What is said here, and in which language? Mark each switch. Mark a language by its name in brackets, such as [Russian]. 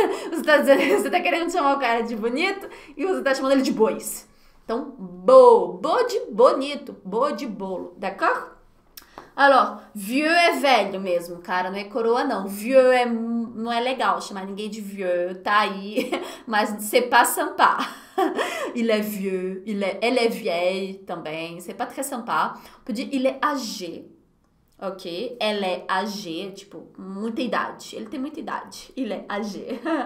[Portuguese] Você tá dizendo, você tá querendo chamar o cara de bonito e você tá chamando ele de bois. Então, bo, bo de bonito, bo de bolo, d'accord? Alors, vieux é velho mesmo, cara, não é coroa não. Vieux é, não é legal chamar ninguém de vieux, tá aí, mas [French] c'est pas sympa. Il est vieux, elle est vieille também, c'est pas très sympa. [Portuguese] Podia, [French] il est âgé, [Portuguese] ok? [French] Elle est âgée, [Portuguese] tipo, muita idade, ele tem muita idade, [French] il est âgé.